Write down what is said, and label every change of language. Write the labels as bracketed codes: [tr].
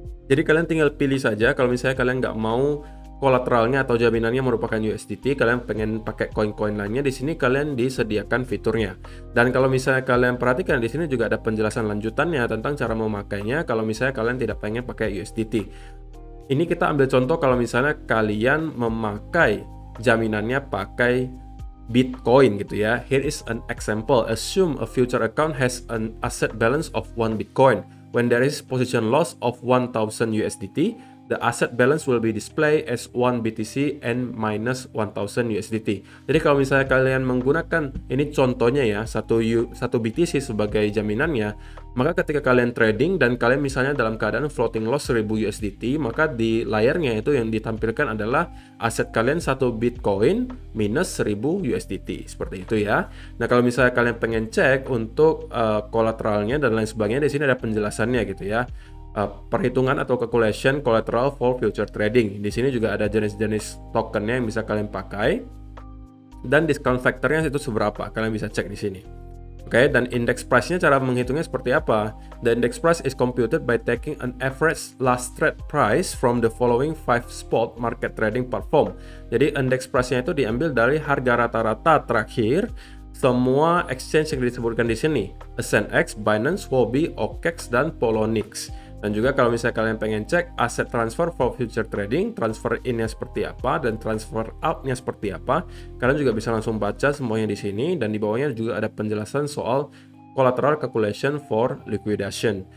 [id] Jadi kalian tinggal pilih saja. Kalau misalnya kalian nggak mau kolateralnya atau jaminannya merupakan USDT, kalian pengen pakai koin-koin lainnya, di sini kalian disediakan fiturnya. Dan kalau misalnya kalian perhatikan, di sini juga ada penjelasan lanjutannya tentang cara memakainya kalau misalnya kalian tidak pengen pakai USDT. Ini kita ambil contoh kalau misalnya kalian memakai jaminannya pakai Bitcoin gitu ya. [en] Here is an example. Assume a future account has an asset balance of 1 Bitcoin. When there is position loss of 1000 USDT, the asset balance will be displayed as 1 BTC and minus 1000 USDT. [id] Jadi kalau misalnya kalian menggunakan, ini contohnya ya, 1 BTC sebagai jaminannya, maka ketika kalian trading dan kalian misalnya dalam keadaan floating loss 1000 USDT, maka di layarnya itu yang ditampilkan adalah aset kalian 1 Bitcoin minus 1000 USDT. Seperti itu ya. Nah, kalau misalnya kalian pengen cek untuk kolateralnya dan lain sebagainya, di sini ada penjelasannya gitu ya. Perhitungan atau [en] calculation collateral for future trading. [id] Di sini juga ada jenis-jenis tokennya yang bisa kalian pakai dan discount factornya itu seberapa, kalian bisa cek di sini. Okay, dan index price-nya cara menghitungnya seperti apa? [en] The index price is computed by taking an average last trade price from the following 5 spot market trading platform. [id] Jadi index price-nya itu diambil dari harga rata-rata terakhir semua exchange yang disebutkan di sini. SNX, Binance, Huobi, OKEx, dan Poloniex. Dan juga kalau misalnya kalian pengen cek aset transfer for future trading, transfer in-nya seperti apa, dan transfer out-nya seperti apa, kalian juga bisa langsung baca semuanya di sini, dan di bawahnya juga ada penjelasan soal [en] collateral calculation for liquidation.